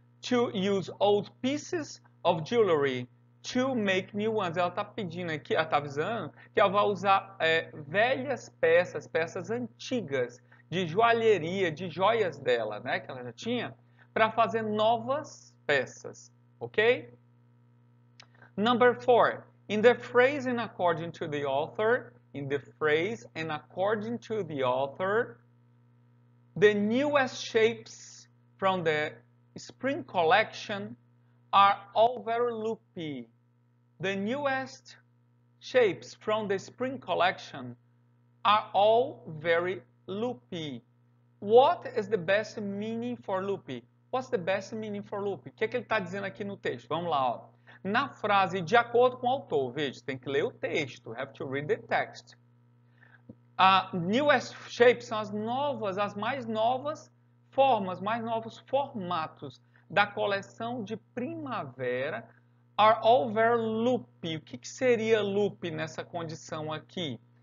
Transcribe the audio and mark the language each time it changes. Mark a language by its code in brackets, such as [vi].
[en] To use old pieces of jewelry to make new ones. [pt] Ela está pedindo aqui, ela está avisando que ela vai usar velhas peças, peças antigas de joalheria, de joias dela, né, que ela já tinha, para fazer novas peças. Ok? [en] Number four, in the phrase and according to the author, in the phrase and according to the author, the newest shapes from the spring collection are all very loopy. The newest shapes from the spring collection are all very loopy. What is the best meaning for loopy? What's the best meaning for loopy? [pt] O que é que ele está dizendo aqui no texto? Vamos lá, ó. Na frase, de acordo com o autor, veja, tem que ler o texto, [en] have to read the text. Newest shapes [pt] são as novas, as mais novas formas, mais novos formatos da coleção de primavera [en] are all very loopy. [pt] O que, que seria loop nessa condição aqui?